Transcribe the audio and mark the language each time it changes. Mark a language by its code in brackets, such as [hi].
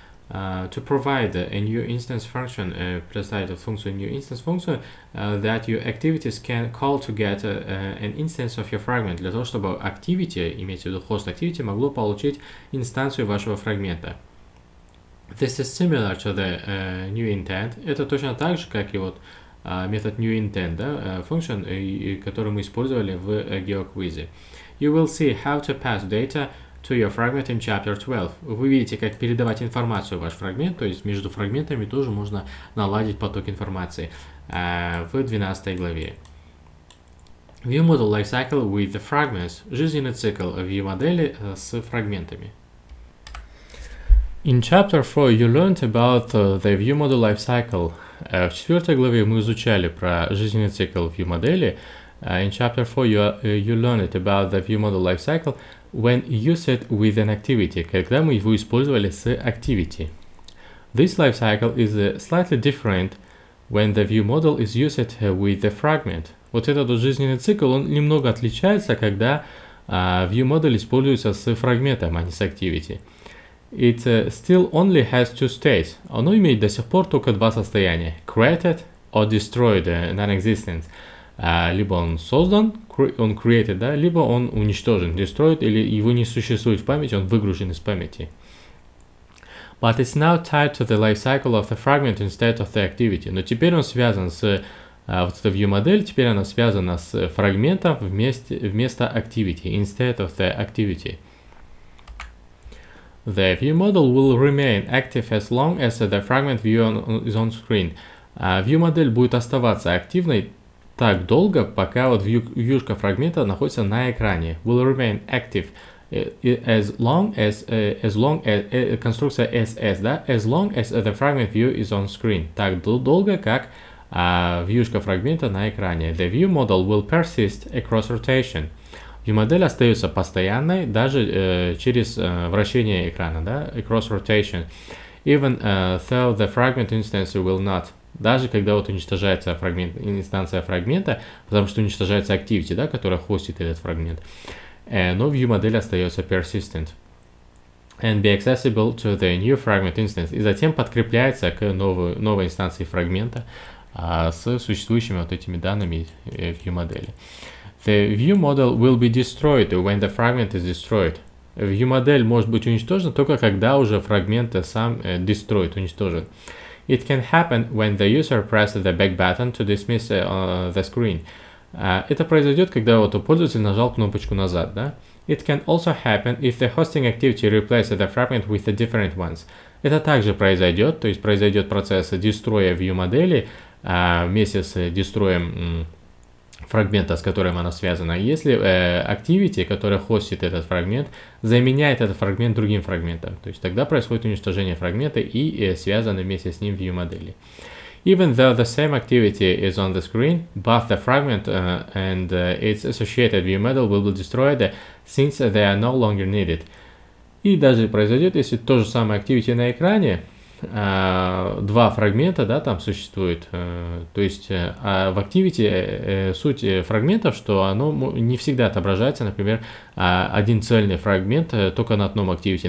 [en] To provide a new instance function, [ru] представить функцию new instance функцию, [en] that your activities can call to get an instance of your fragment, [ru] для того чтобы activity, имеется в виду host activity, могло получить инстанцию вашего фрагмента. [en] This is similar to the new intent. [ru] Это точно так же, как и вот метод new intent, да, function, который мы использовали в GeoQuiz. [en] You will see how to pass data to your fragment in chapter 12. [ru] Вы видите, как передавать информацию в ваш фрагмент, то есть между фрагментами тоже можно наладить поток информации в 12 главе. [en] View model life cycle with the fragments. [ru] Жизненный цикл view модели с фрагментами. [en] In chapter 4 you learned about the view model life cycle. [ru] В 4 главе мы изучали про жизненный цикл view модели. [en] In chapter 4 you learned about the view model life cycle. When used with an activity, [ru] когда мы его использовали с activity. [en] This life cycle is slightly different when the view model is used with the fragment. [ru] Вот этот жизненный цикл, он немного отличается, когда view model используется с фрагментом, а не с activity. [en] It still only has two states. [ru] Оно имеет до сих пор только два состояния. [en] Created or destroyed, non-existent. [ru] Либо он создан, он created, да, либо он уничтожен, destroyed, или его не существует в памяти, он выгружен из памяти. [en] But it's now tied to the life cycle of the fragment instead of the activity. [ru] Но теперь он связан с вот эта view модель, теперь она связана с фрагментом вместо activity, [en] instead of the activity. The view model will remain active as long as the fragment view is on screen. [ru] View модель будет оставаться активной так долго, пока вот вьюшка фрагмента находится на экране. [en] Will remain active as long as [ru] конструкция SS, да? [en] As long as the fragment view is on screen. [ru] Так долго, как вьюшка фрагмента на экране. [en] The view model will persist across rotation. [ru] View модель остается постоянной даже через вращение экрана, да? [en] Across rotation. Even though the fragment instance will not. [ru] Даже когда вот уничтожается фрагмент, инстанция фрагмента, потому что уничтожается activity, да, которая хостит этот фрагмент. Но view модель остается persistent. [en] And be accessible to the new fragment instance. [ru] И затем подкрепляется к новой инстанции фрагмента с существующими вот этими данными view модели. [en] The view model will be destroyed when the fragment is destroyed. [ru] View модель может быть уничтожена только когда уже фрагмент сам destroyed, уничтожен. [en] It can happen when the user presses the back button to dismiss the screen. [ru] Это произойдет, когда вот пользователь нажал кнопочку назад, да? [en] It can also happen if the hosting activity replaces the fragment with the different ones. [ru] Это также произойдет, то есть произойдет процесс destroy view модели вместе с destroy фрагмента, с которым она связана. Если activity, которая хостит этот фрагмент, заменяет этот фрагмент другим фрагментом, то есть тогда происходит уничтожение фрагмента и связаны вместе с ним view модели. [en] Even though the same activity is on the screen, both the fragment and its associated view model will be destroyed since they are no longer needed. [ru] И даже произойдет, если то же самое activity на экране, два фрагмента, да, там существует. То есть в Activity суть фрагментов, что оно не всегда отображается. Например, один цельный фрагмент только на одном Activity.